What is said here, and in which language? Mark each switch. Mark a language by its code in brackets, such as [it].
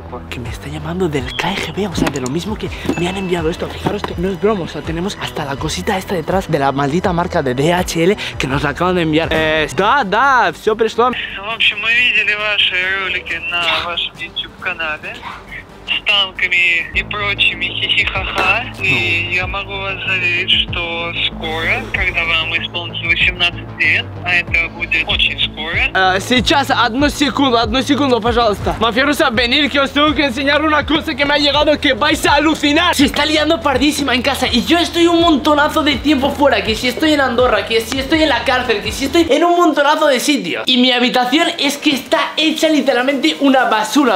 [es] Que me está llamando del KGB, o sea, de lo mismo que me han enviado esto. Fijaros que no es broma, o sea, tenemos hasta la cosita esta detrás de la maldita marca de DHL que nos la acaban de enviar. [ru] Da, da, все пришло. В общем, мы видели ваши ролики на вашем YouTube канале. С танками и прочими хихихаха. И я могу вас заверить, что скоро, когда вам исполнится 18 лет, а это будет очень скоро. Сейчас одну секунду, пожалуйста. [es] Мафируса, venir, que os tengo que enseñar una cosa que me ha llegado, que vais a alucinar. Se está liando pardísima en casa y yo estoy un montonazo de tiempo fuera. Que si estoy en Andorra, que si estoy en la cárcel, que si estoy en un montonazo de sitios. Y mi habitación es que está hecha literalmente una basura.